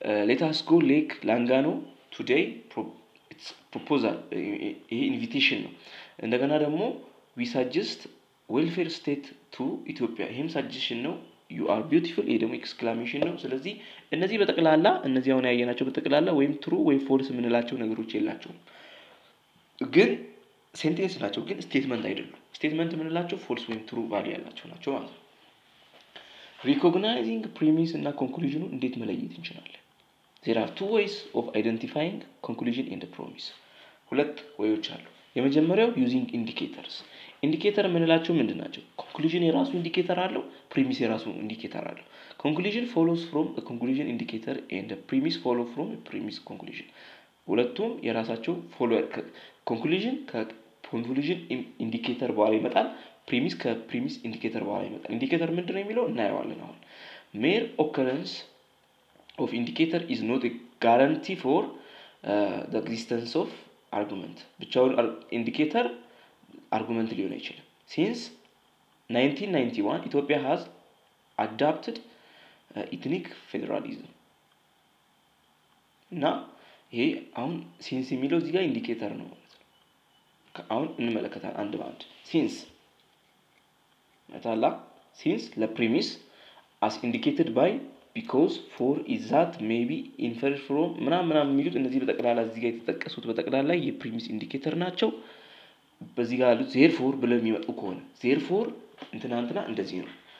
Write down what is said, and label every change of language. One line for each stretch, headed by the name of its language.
English: ሌት አስ ጎ ሌክ ላንጋኖ ቱዴይ ኢትስ ፕሮፖዛል
Amharic: ይሄ ኢንቪቴሽን ነው። እንደገና ደግሞ
English: ዊ ሳጀስት ዌልፌር ስቴት ቱ ኢትዮጵያ
Amharic: ይሄም ሳጀሽን ነው።
English: you are beautiful
Amharic: ኢደም ኤክስክላሜሽን ነው። ስለዚህ እነዚህ በጠቅላላ እነዚህ አሁን ያየናቸው በጠቅላላ ወይም true ወይም false ምንላቸው ነገሮች ይላቸው ግን sentence ናቸው ግን statement አይደሉም። statement ምንላቸው false ወይም true value ያላቸው ናቸው ማለት ነው። recognizing premise እና conclusion እንዴት መለየት እንችላለን?
English: there are two ways of identifying conclusion and the premise.
Amharic: ሁለት ወይዎች አሉ። የመጀመሪያው using indicators. indicator ምንላቸው ምንድናቸው? conclusion የራሱ indicator አለው premise የራሱ indicator አለው።
English: conclusion follows from a conclusion indicator and the premise follow from a premise conclusion.
Amharic: ሁለቱም የራሳቸው follower conclusion ከconclusion indicator በኋላ ይመጣል premise ከpremise indicator በኋላ ይመጣል። indicator ምንድነው የሚለው እናየዋለን። አሁን
English: mere occurrence of indicator is not a guarantee for the existence of argument.
Amharic: ብቻውን indicator argument ሊሆን አይችልም።
English: since 1991 Ethiopia has adopted ethnic federalism.
Amharic: now ይሄ አሁን since የሚለው እዚህ ጋር indicator ነው ማለት ነው። አሁን እንመለከታለን አንድ ባንድ since መታላ
English: since the premise as indicated by because for is that maybe inferred from
Amharic: ምናምን ምናምን የሚሉት እነዚህ በጠቅላላ እዚህ ጋር የተጠቀሱት በጠቅላላ የpremise indicator ናቸው። በዚህ ጋር አሉት therefore ብለም ይመጡ ከሆነ therefore እንትናንትና እንደዚህ ነው